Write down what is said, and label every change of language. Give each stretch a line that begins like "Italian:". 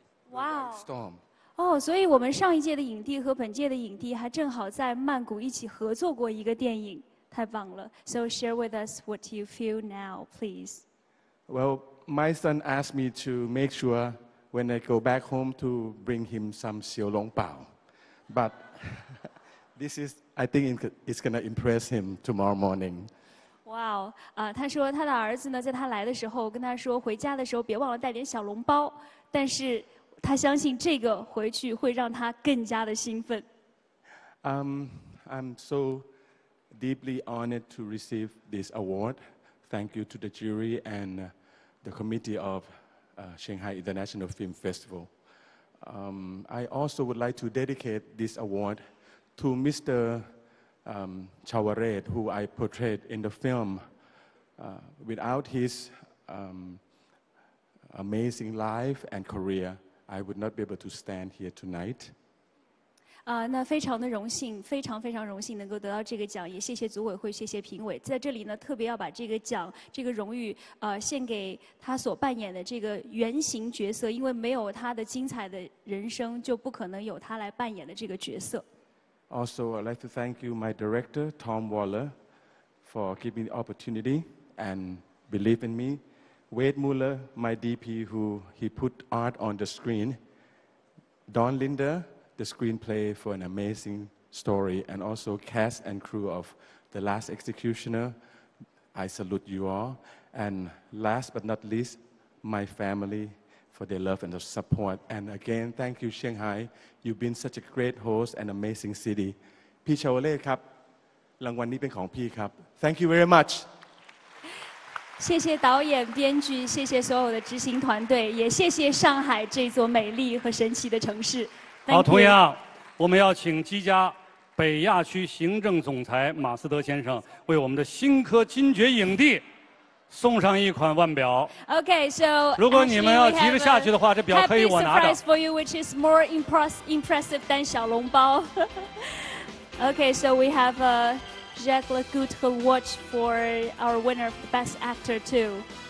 Chinese: Wow. 所以我们上一届的影帝和本届的影帝还正好在曼谷一起合作过一个电影，太棒了。
English: So share with us what you feel now, please. Well, my son asked me to make sure when I go back home to bring him some xiaolongbao. But this is, I think it's going to impress him tomorrow morning.
Chinese: Wow, 他说他的儿子呢，在他来的时候跟他说，回家的时候别忘了带点小笼包。但是他相信这个回去会让他更加的兴奋。
English: I'm so deeply honored to receive this award. Thank you to the jury and the committee of Shanghai International Film Festival. I also would like to dedicate this award to Mr. Chawaret, who I portrayed in the film. Without his amazing life and career, I would not be able to stand here tonight.
Chinese: 那非常的荣幸，非常非常荣幸能够得到这个奖，也谢谢组委会，谢谢评委。在这里呢，特别要把这个奖、这个荣誉，献给他所扮演的这个原型角色，因为没有他的精彩的人生，就不可能有他来扮演的这个角色。
English: Also, I'd like to thank you, my director, Tom Waller, for giving the opportunity and believe in me. Wade Muller, my DP, who he put art on the screen. Don Linder, the screenplay for an amazing story. And also cast and crew of The Last Executioner. I salute you all. And last but not least, my family for their love and their support. And again, thank you, Shanghai. You've been such a great host and amazing city.
Thai: พี่ชาวเล่ครับ รางวัลนี้เป็นของพี่ครับ
English: Thank you very much.
Chinese: 谢谢导演、编剧，谢谢所有的执行团队，也谢谢上海这座美丽和神奇的城市。好，同样，我们要请积家北亚区行政总裁马斯德先生为我们的新科金爵影帝送上一款腕表。
English: Okay, so
Chinese: 如果你们要急着下去的话，这表可以我拿着。
English: Happy surprise for you, which is more impressive than 小笼包。 Okay, so we have a Jacques Lacoute watch for our winner of the Best Actor too.